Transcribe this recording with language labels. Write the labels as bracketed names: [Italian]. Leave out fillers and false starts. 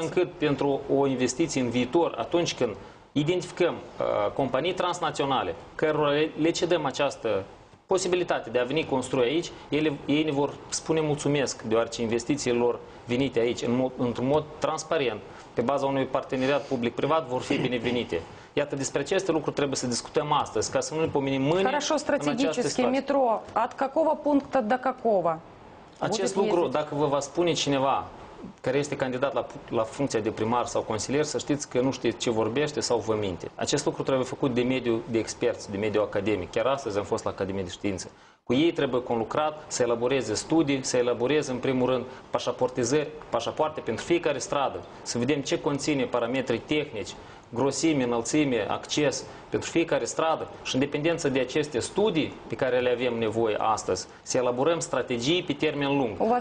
[Romanian] Astfel încât pentru o investiție în viitor, atunci când identificăm companii transnaționale cărora le cedăm această posibilitate de a veni construi aici, ei ne vor spune mulțumesc deoarece investițiile lor venite aici într-un mod transparent pe baza unui parteneriat public-privat vor fi binevenite. Iată, despre aceste lucruri trebuie să discutăm astăzi, ca să nu ne pomenim mâine. [Russian] Хорошо, стратегически метро. От какого пункта до какого? [Romanian] Acest lucru, dacă vă va spune cineva care este candidat la funcția de primar sau consilier, să știți că nu știți ce vorbește sau vă minte. Acest lucru trebuie făcut de mediul de experți, de mediul academic. Chiar astăzi am fost la Academia de Științe. Cu ei trebuie conlucrat să elaboreze studii, să elaboreze, în primul rând, pașapoarte pentru fiecare stradă, să vedem ce conține parametrii tehnici, grosime, înălțime, acces pentru fiecare stradă și în dependență de aceste studii pe care le avem nevoie astăzi, să elaborăm strategii pe termen lung.